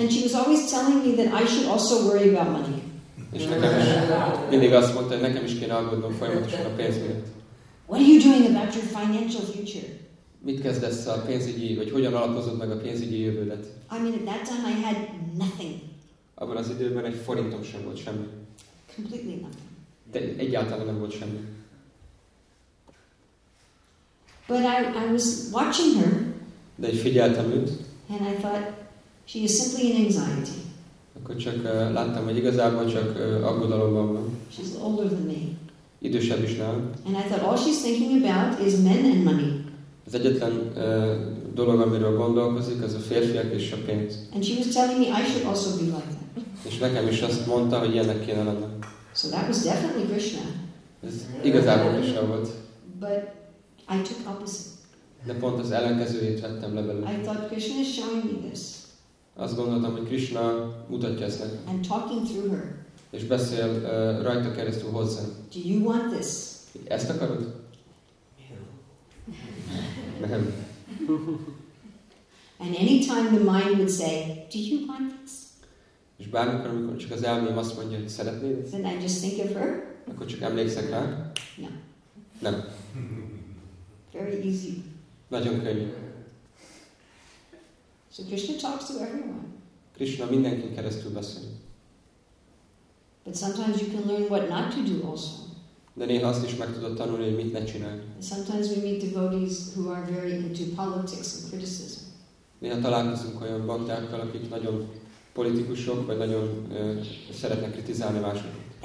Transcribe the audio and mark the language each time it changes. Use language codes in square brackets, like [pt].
[en] And she was always telling me that I should also worry about money. [hu] És nekem is mindig azt mondta, hogy nekem is kéne aggódnom folyamatosan a pénz miatt. [en] What are you doing about your financial future? [hu] Mit kezdesz a pénzügyi, vagy hogyan alapozod meg a pénzügyi jövődet? [en] I mean, at that time I had nothing. [hu] Abban az időben egy forintom sem volt semmi. [en] Completely nothing. [hu] De egyáltalán nem volt semmi. [en] But I was watching her. [hu] De figyeltem őt. [en] And I thought she is simply in anxiety. [hu] Akkor csak láttam, hogy igazából csak aggodalomban van. [en] She's older than me. [hu] Idősebb is nálam. [en] And I thought all she's thinking about is men and money. [hu] Az egyetlen dolog, amiről gondolkozik, az a férfiak és a pénz. [en] And she was telling me I should also be like that. [hu] És nekem is azt mondta, hogy ilyenek kéne lenni. [en] So that was definitely Krishna. [hu] Ez igazából Krishna volt. [en] But I took opposite. [hu] De pont az ellenkezőjét vettem le belőle. [en] I thought Krishna is showing me this. [hu] Azt gondoltam, hogy Krishna mutatja ezt nekem. [en] And talking through her. [hu] És beszél rajta keresztül hozzám. [en] Do you want this? [hu] Ezt akarod? [en] Yeah. [hu] Nem. [en] And any time the mind would say, do you want this? [hu] És bármikor, amikor csak az elmém azt mondja, hogy szeretnéd? [en] Then I just think of her. [hu] Akkor csak emlékszek rá? [en] No. [hu] Nem. [en] Very easy. [hu] Nagyon könnyű. [en] So Krishna talks to everyone. [hu] Krishna mindenkin keresztül beszél. [en] But sometimes you can learn what not to do also. [hu] De néha azt is meg tudod tanulni, hogy mit ne csinálj. [en] Sometimes we meet devotees who are very into politics and criticism. [hu] Néha találkozunk olyan baktákkal, akik nagyon politikusok, vagy nagyon szeretnek kritizálni másokat.